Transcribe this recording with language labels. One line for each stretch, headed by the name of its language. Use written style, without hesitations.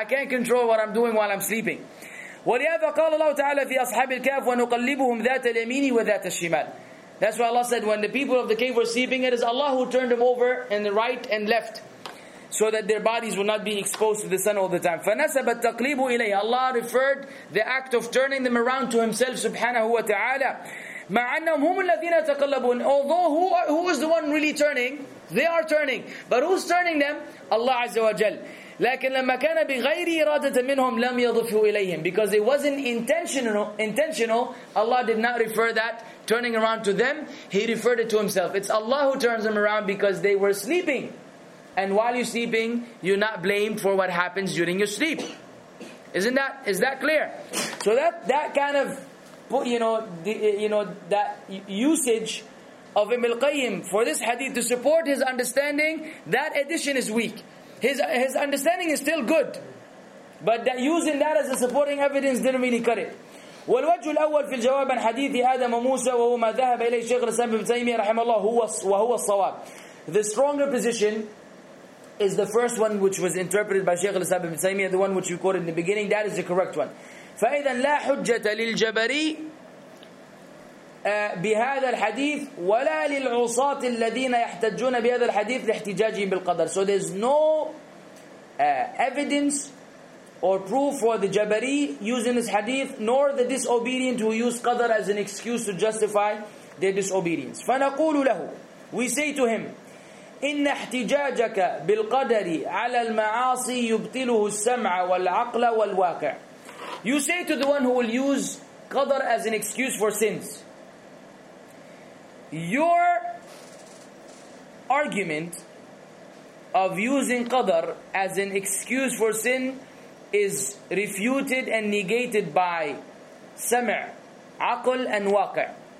English: I can't control what I'm doing while I'm sleeping.
Arabic: ولهذا قال الله تعالى في أصحاب الكهف ونقلبهم ذات اليمين وذات الشمال.
English: That's why Allah said, when the people of the cave were sleeping, it is Allah who turned them over in the right and left, so that their bodies will not be exposed to the sun all the time.
Arabic: فَنَسَبَ التَّقْلِيبُ إِلَيْهِ,
English: Allah referred the act of turning them around to Himself, subhanahu wa ta'ala.
Arabic: مَعَ أَنَّهُمْ هُمُ الَّذِينَ تَقَلَّبُونَ,
English: although who is the one really turning? They are turning. But who's turning them? Allah Azza wa Jal.
Arabic: لَكِنْ لَمَّا كَانَ بِغَيْرِ إِرَادَةً مِّنْهُمْ لَمْ يَضُفْهُ إِلَيْهِمْ,
English: because it wasn't intentional, Allah did not refer that turning around to them. He referred it to Himself. It's Allah who turns them around because they were sleeping. And while you're sleeping, you're not blamed for what happens during your sleep. Is that clear? So that kind of, that usage of Ibn al-Qayyim for this hadith to support his understanding, that addition is weak. His understanding is still good, but that using that as a supporting evidence didn't really cut it.
Arabic: والوجه الأول في الجواب عن حديث آدم وموسى وهو ما ذهب إليه الشيخ الإسلام ابن تيمية رحمه الله وهو الصواب.
English: The stronger position is the first one which was interpreted by Shaykh al-Islam ibn Taymiyyah, the one which you quoted in the beginning. That is the correct one.
Arabic: فَإِذَا لَا حُجَّةَ لِلْجَبَرِي بِهَذَا الْحَدِيثِ وَلَا لِلْعُصَاتِ الَّذِينَ يَحْتَجُّونَ بِهَذَا الْحَدِيثِ لِاحْتِجَاجِهِمْ بِالْقَدَرِ.
English: So there's no evidence or proof for the Jabari using this hadith, nor the disobedient who use Qadr as an excuse to justify their disobedience.
Arabic: فَنَقُولُ لَهُ,
English: we say to him,
Arabic: إن احتجاجك بالقدر على المعاصي يبطله السمع والعقل والواقع.
English: You say to the one who will use Qadr as an excuse for sins, your argument of using qadar as an excuse for sin is refuted and negated by sam', aql, and waqi'.